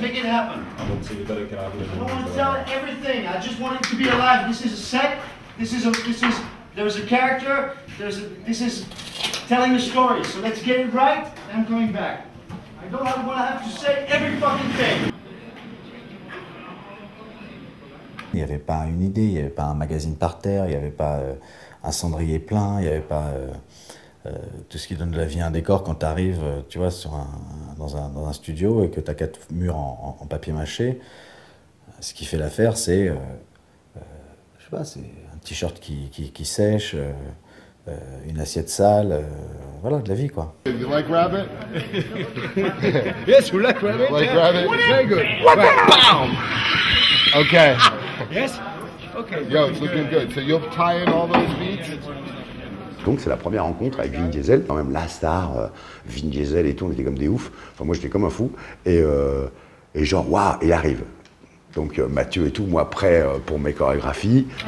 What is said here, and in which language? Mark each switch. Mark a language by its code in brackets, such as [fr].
[en] Make it happen. I don't want to tell everything. I just want it to be alive. This is a set. There's a character. This is telling a story. So let's get it right. I'm coming back. I don't want to have to say every fucking thing. [fr] Il n'y avait pas une idée, il n'y avait pas un magazine par terre, il n'y avait pas un cendrier plein, il n'y avait pas tout ce qui donne de la vie à un décor quand tu arrives, tu vois, dans un studio et que tu as quatre murs en papier mâché. Ce qui fait l'affaire, c'est, je sais pas, c'est un t-shirt qui sèche, une assiette sale, voilà, de la vie, quoi. [en] You like rabbit? Yes, you like rabbit? You like rabbit? Very good. What right. Bam! Okay. Yes? Okay. Yo, it's looking good. So you'll tie in all those beats? [fr] donc c'est la première rencontre avec Vin Diesel, quand même la star, Vin Diesel et tout, on était comme des oufs, enfin moi j'étais comme un fou, et genre waouh, il arrive. Donc Mathieu et tout, moi prêt pour mes chorégraphies.